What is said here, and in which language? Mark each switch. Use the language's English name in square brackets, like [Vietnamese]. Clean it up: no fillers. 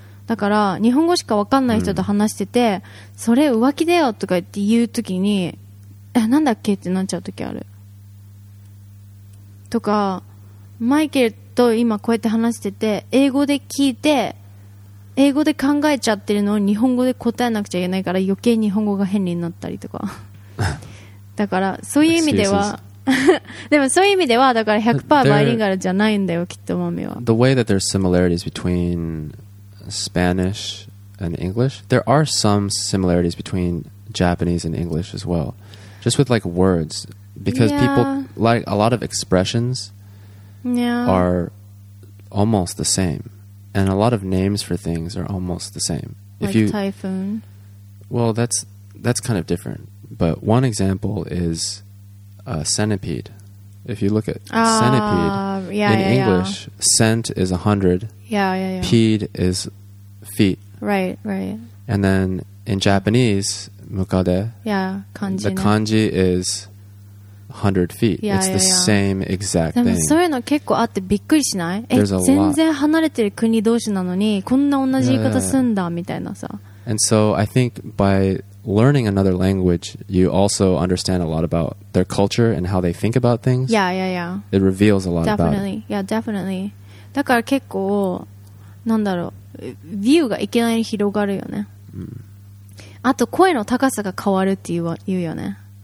[Japanese] だから日本語しか分かんない人と話してて、それ浮気だよとか言って言うときに、え、なんだっけってなっちゃうときあるとか、マイケルと今こうやって話してて英語で聞いて英語で考えちゃってるのを日本語で答えなくちゃいけないから余計日本語が変になったりとかだからそういう意味ではでもそういう意味ではだから 100% バイリンガルじゃないんだよきっとマミは。 [English] The way that there's similarities betweenSpanish and English. There are some similarities between Japanese and English as well. Just with like words. Because people, like a lot of expressions are almost the same. And a lot of names for things are almost the same. Like typhoon. Well, that's kind of different. But one example is a centipede. If you look at centipede, in English, cent is 100. Pede is... feet. Right, right. And then in Japanese, mukade, kanji, the kanji is 100 feet. Yeah, it's the same exact [Japanese] でも [English] thing. [Japanese] そういうの結構あってびっくりしない？全然離れてる国同士なのにこんな同じ言い方すんだみたいなさ。 [English] And so I think by learning another language, you also understand a lot about their culture and how they think about things. It reveals a lot definitely. about it. Yeah, definitely. [Japanese] だから結構なんだろうビューがいきなり広がるよね。あと声の高さが変わるって言うよね。